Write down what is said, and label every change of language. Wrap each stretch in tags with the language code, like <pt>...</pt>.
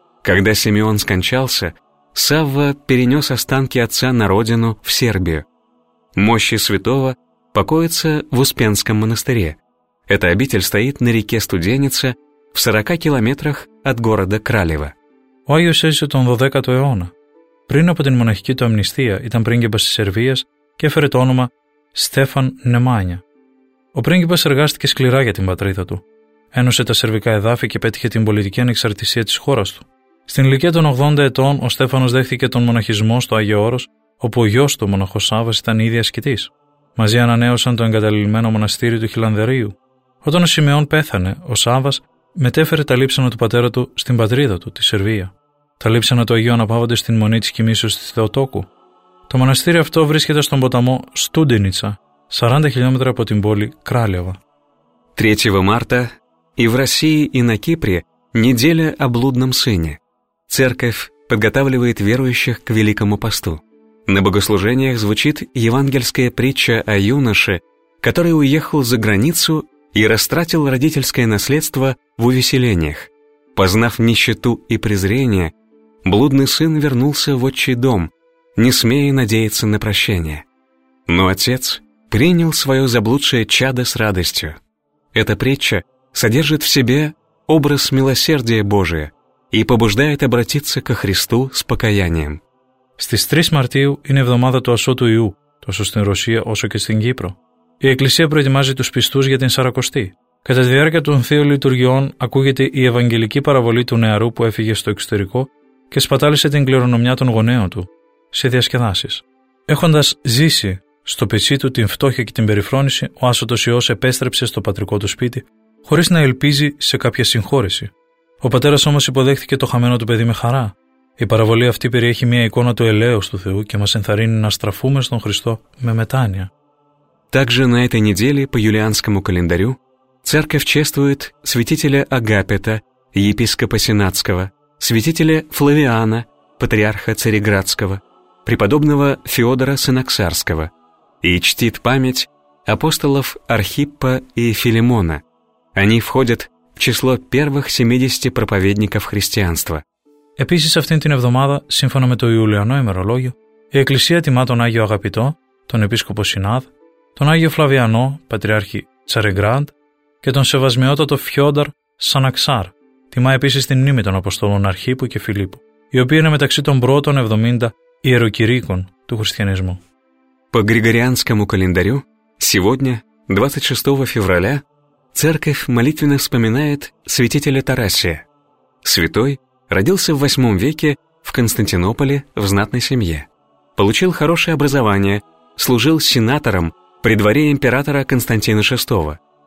<ru>Когда Симеон скончался, Савва перенес останки отца на родину, в Сербию. Мощи святого покоятся в Успенском монастыре. Эта обитель стоит на реке Студеница, в 40 километрах от города Кралево.</ru> <el>Ο Άγιος έζησε τον 12ο αιώνα. Πριν από την μοναχική του αμνηστία ήταν πρίγκιπας της Σερβίας και έφερε το όνομα Στέφαν Νεμάνια. Ο πρίγκιπας εργάστηκε σκληρά για την πατρίδα του. Ένωσε τα σερβικά εδάφη και πέτυχε την πολιτική ανεξαρτησία της χώρας του. Στην ηλικία των 80 ετών ο Στέφανος δέχθηκε τον μοναχισμό στο Άγιο Όρος, όπου ο γιος του, ο μοναχός Σάββας, ήταν ήδη ασκητής. Μαζί ανανέωσαν το εγκαταλειμμένο μοναστήρι του Χιλανδερίου. Όταν ο Σιμεών πέθανε, ο Σάββας μετέφερε τα λείψανα του πατέρα του στην πατρίδα του, τη Σερβία. Τα λείψανα του Αγίου αναπαύονται στην μονή της κοιμήσεως της Θεοτόκου. Το μοναστήρι αυτό βρίσκεται στον ποταμό Στούντινιτσα, 40 χιλιόμετρα από την πόλη Κράλεβα.</el> <ru>3 Μάρτα, и в России, и на Кипре неделя о блудном сыне. Церковь подготавливает верующих к Великому посту. На богослужениях звучит евангельская притча о юноше, который уехал за границу и растратил родительское наследство в увеселениях. Познав нищету и презрение, блудный сын вернулся в отчий дом, не смея надеяться на прощение. Но отец принял свое заблудшее чадо с радостью. Эта притча содержит в себе образ милосердия Божия и побуждает обратиться ко Христу с покаянием.</ru> <el>Στις 3 Μαρτίου είναι εβδομάδα του Ασώτου Ιού, τόσο στην Ρωσία όσο και στην Κύπρο. Η Εκκλησία προετοιμάζει τους πιστούς για την Σαρακοστή. Κατά τη διάρκεια των θείων λειτουργιών ακούγεται η Ευαγγελική παραβολή του νεαρού που έφυγε στο εξωτερικό και σπατάλησε την κληρονομιά των γονέων του σε διασκεδάσεις. Έχοντας ζήσει στο πετσί του την φτώχεια και την περιφρόνηση, ο Άσωτος Υιός επέστρεψε στο πατρικό του σπίτι, χωρίς να ελπίζει σε κάποια συγχώρεση. Ο πατέρας όμως υποδέχθηκε το χαμένο του παιδί με χαρά. Η παραβολή αυτή περιέχει μια εικόνα του ελέους του Θεού και μας ενθαρρύνει να στραφούμε στον Χριστό με μετάνοια.</el> <ru>Также на этой неделе по юлианскому календарю церковь чествует святителя Агапета, епископа Сенатского, святителя Флавиана, патриарха Цареградского, преподобного Феодора Синаксарского и чтит память апостолов Архиппа и Филимона. Они входят в число первых 70 проповедников христианства.</ru> <el>Επίσης αυτήν την εβδομάδα, σύμφωνα με το Ιουλιανό ημερολόγιο, η Εκκλησία τιμά τον Άγιο Αγαπητό, τον Επίσκοπο Σινάδ, τον Άγιο Φλαβιανό, Πατριάρχη Τσαρεγκράντ και τον Σεβασμιότατο Φιόνταρ Σαναξάρ. Τιμά επίσης την μνήμη των Αποστόλων Αρχίππου και Φιλίππου, η οποία είναι μεταξύ των πρώτων 70 ιεροκηρύκων του χριστιανισμού.</el> <ru>По Григорианскому календарю, сегодня, 26 февраля, церковь молитвенно вспоминает святителя Тарасия. Святой родился в 8 веке в Константинополе в знатной семье. Получил хорошее образование, служил сенатором при дворе императора Константина VI.</ru>